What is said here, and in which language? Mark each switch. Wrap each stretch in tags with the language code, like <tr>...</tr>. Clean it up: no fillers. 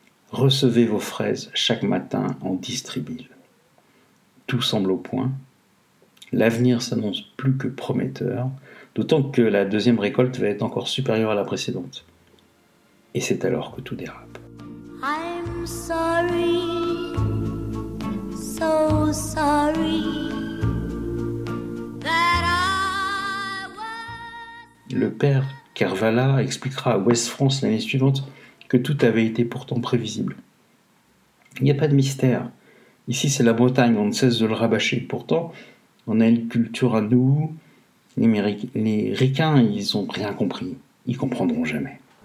<fr>Recevez vos fraises chaque matin en Distri-Bill. Tout semble au point. L'avenir s'annonce plus que prometteur, d'autant que la deuxième récolte va être encore supérieure à la précédente. Et c'est alors que tout dérape.</fr> <en>I'm sorry, so sorry, that I was...</en> <fr>Le père Kervala expliquera à West France l'année suivante que tout avait été pourtant prévisible. Il n'y a pas de mystère. Ici, c'est la Bretagne, on ne cesse de le rabâcher. Pourtant, on a une culture à nous. Les Ricains, ils n'ont rien compris. Ils comprendront jamais.</fr>